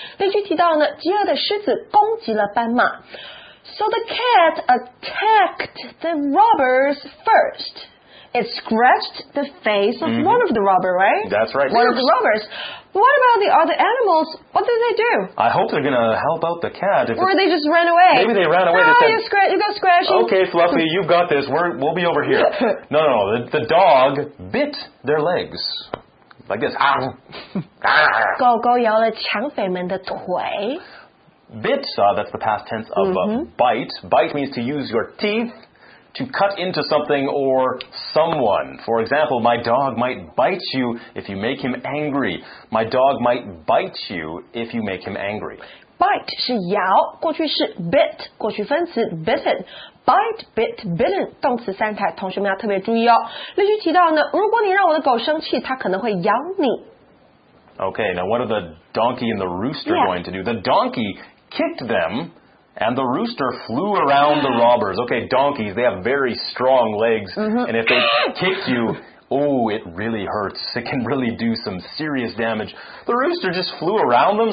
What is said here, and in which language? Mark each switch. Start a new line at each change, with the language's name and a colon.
Chinese: 例句提到呢，饥饿的狮子攻击了斑马。
English: So the cat attacked the robbers first. It scratched the face of one of the robbers, right? That's right. One of the robbers. What about the other animals? What did they do? I hope they're going to help out the cat. Or they just ran away. Maybe they ran away. No, you got scratching. Okay, Fluffy, you've got this. We'll be over here. No. The dog bit their legs. Like this. Ah.
Chinese: Gou Gou 咬了抢匪们的腿。
English: Bit, that's the past tense of bite. Bite means to use your teeth to cut into something or someone. For example, my dog might bite you if you make him angry. My dog might bite you if you make him angry.
Chinese: Bite 是咬，过去式 bit, 过去分词 bitten. Bite, bit, bitten, 动词三态，同学们要特别注意哦。例句提到呢，如果你让我的狗生气，它可能会咬你。
English: Okay, now what are the donkey and the rooster going to do? The donkey kicked them. And the rooster flew around the robbers. Okay, donkeys, they have very strong legs. And if they kick you, oh, it really hurts. It can really do some serious damage. The rooster just flew around them.